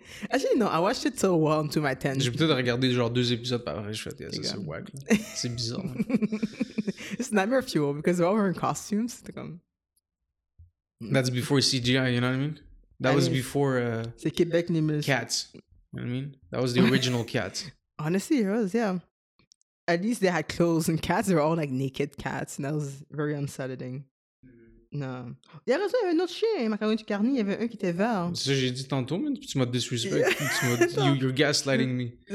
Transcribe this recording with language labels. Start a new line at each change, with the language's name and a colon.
English: Actually, no, I watched it so well into my 10.
French: J'ai peut-être regardé genre deux épisodes par après, je fais, yeah, ça, c'est wack. C'est bizarre.
English: It's nightmare fuel because they're all wearing costumes. That's before CGI, you know what I mean? That was before.
French: C'est Québec Nimbus.
English: Cats. You know what I mean? That was the original Cats. Honestly, it was, yeah. At least they had clothes and cats. They were all like naked cats. And that was very unsettling. No.
French: Il y avait aussi un autre chien, Macaroni du Carny. Il y avait un qui était vert. C'est ça que j'ai dit tantôt, mais tu m'as disrespect. Tu m'as dit,
English: you're gaslighting me.